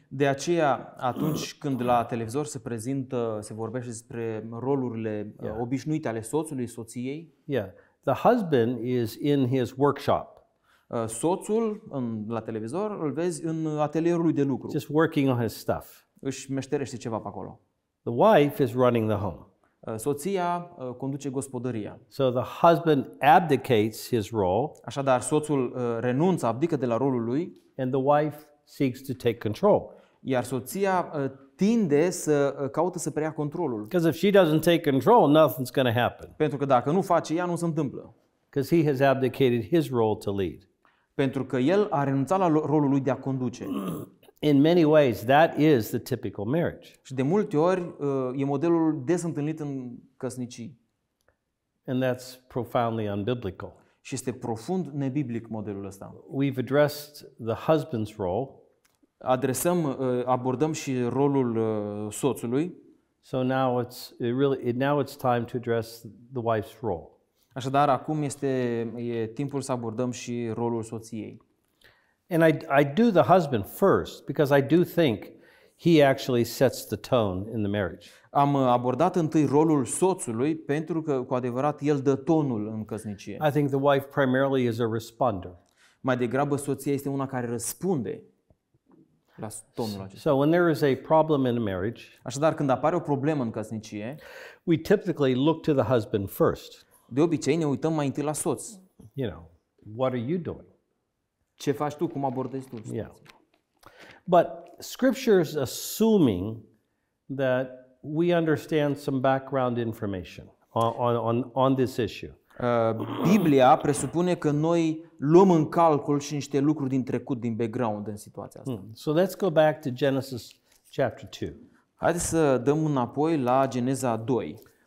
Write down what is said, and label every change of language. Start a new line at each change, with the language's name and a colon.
Romanian: De aceea, atunci când la televizor se prezintă, se vorbește despre rolurile obișnuite ale soțului, soției.
English: Yeah. The husband is in his workshop.
Romanian: Soțul în, la televizor îl vezi în atelierul lui de lucru.
English: Just working on his stuff.
Romanian: Își meșterește ceva pe acolo.
English: The wife is running the home.
Romanian: Soția conduce gospodăria.
English: So the husband abdicates his role.
Romanian: Așadar, soțul renunță, abdică de la rolul lui.
English: And the wife seeks to take control.
Romanian: Iar soția tinde să caută să preia controlul.
English: Because if she doesn't take control, nothing's going to happen.
Romanian: Pentru că dacă nu face ea, nu se întâmplă.
English: Because he has abdicated his role to lead.
Romanian: Pentru că el a renunțat la rolul lui de a conduce.
English: In many ways, that is the typical marriage.
Romanian: Și de multe ori e modelul des întâlnit în căsnicii.
English: And that's profoundly unbiblical.
Romanian: Și este profund nebiblic modelul ăsta.
English: We've addressed the husband's role.
Romanian: Adresăm, abordăm și rolul soțului.
English: So now it's really now it's time to address the wife's role.
Romanian: Așadar, acum este timpul să abordăm și rolul soției.
English: And I do the husband first because I do think he actually sets the tone in the marriage.
Romanian: Am abordat întâi rolul soțului pentru că cu adevărat el dă tonul în căsnicie.
English: I think the wife primarily is a responder.
Romanian: Mai degrabă soția este una care răspunde la tonul acesta.
English: So when there is a problem in a marriage,
Romanian: așadar când apare o problemă în căsnicie,
English: we typically look to the husband first.
Romanian: De obicei ne uităm mai întâi la soț.
English: You know, what are you doing?
Romanian: Ce faci tu? Cum abordezi tu?
English: Yeah. But Scripture is assuming that we understand some background information on this issue.
Romanian: Biblia presupune că noi luăm în calcul și niște lucruri din trecut, din background, în situația asta.
English: So let's go back to Genesis chapter 2.
Romanian: Haideți să dăm înapoi la Geneza 2.